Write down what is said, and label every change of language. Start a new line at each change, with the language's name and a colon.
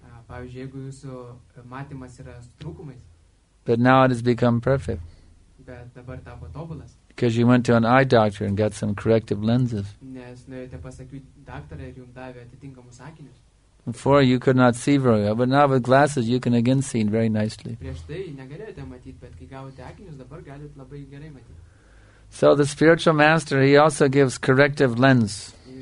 Lithuanian: Pavyzdžiui, jeigu jūsų matymas yra trūkumais,
English: But now it has become perfect.
Lithuanian: Bet dabar tapo tobulas.
English: Because you went to an eye doctor and got some corrective lenses.
Lithuanian: Nes nuėjote pas akių daktarą ir jums davė atitinkamus akinius.
English: Before you could not see very well, but now with glasses you can again see very nicely.
Lithuanian: Prieš tai negalėjote matyti, bet kai gavote akinius, dabar galite labai gerai matyti.
English: So the spiritual master, he also gives corrective lens.